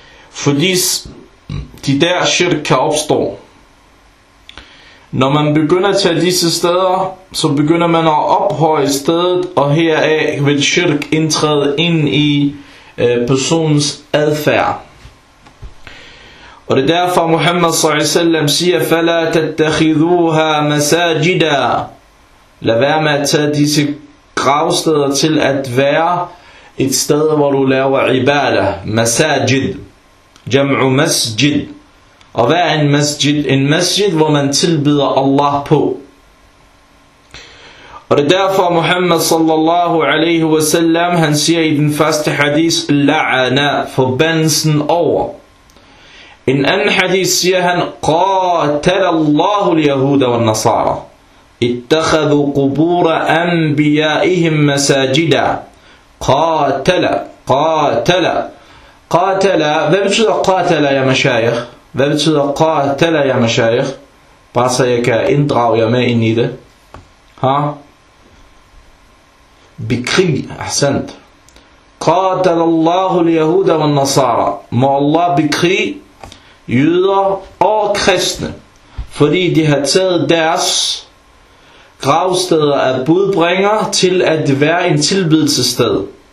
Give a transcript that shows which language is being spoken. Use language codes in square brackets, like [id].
[da] Fordi de der shirk kan opstå. Når man begynder at tage disse steder, så begynder man at ophøje stedet, og heraf vil shirk indtræde ind i personens adfærd. Og det er derfor Muhammad s.a.v. siger: [ar] فَلَا تَتَّخِذُوهَا مَسَاجِدًا. [da] Lad være med at tage disse gravsteder til at være et sted, hvor du laver ibadah. Masajid, jam'u masjid. Og hvad er en masjid? En masjid, hvor man tilbyder Allah på. Og det er derfor Muhammad sallallahu alaihi wasallam, han siger i den første hadith: la'ana, forbandelsen over. En anden hadith siger han: [ar] qatalallahu al-yahuda wal-nasara. اتخذوا قبور انبيائهم مساجدا. قاتل قاتل قاتل. [da] Hvad betyder [ar] قاتل يا مشايخ? [da] Hvad betyder قاتل يا مشايخ? Bare så jeg kan inddrage jer med ind i det. Ha? Bekrig. [ar] Ahsant. قاتل الله اليهود والنصارى. [da] Må Allah bekrig jøder og kristne, fordi de har taget deres gravsteder af budbringer til at være en tilbedelsessted.